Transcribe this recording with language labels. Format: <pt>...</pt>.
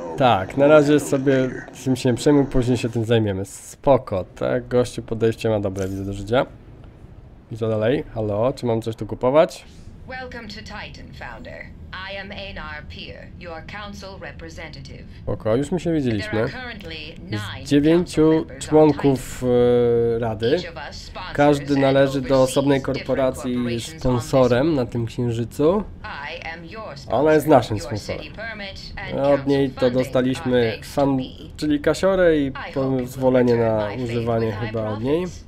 <pl>Tak, na razie sobie tym się nie przejmę, później się tym zajmiemy. Spoko, tak? Gościu podejście ma dobre, widzę do życia. I co dalej? Halo, czy mam coś tu kupować?</pl> <en>Welcome to Titan, Founder. I am Einar Pier, your council representative.</en> <pl>Ok, już my się widzieliśmy. Z 9 członków rady. Każdy należy do osobnej korporacji i sponsorem na tym księżycu. Ona jest naszym sponsorem. Od niej to dostaliśmy fan, czyli kasiorę i pozwolenie na używanie chyba od niej.</pl>